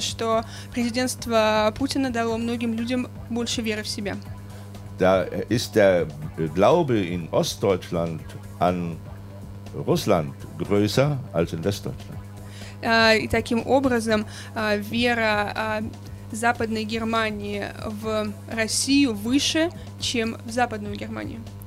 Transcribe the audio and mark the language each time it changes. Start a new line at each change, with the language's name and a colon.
Russian: что президентство Путина дало многим людям больше веры в себя.
German: Da ist der Glaube in Ostdeutschland an Russland größer als in Westdeutschland.
Russian: И таким образом вера Западной Германии в Россию выше, чем в Западную Германию.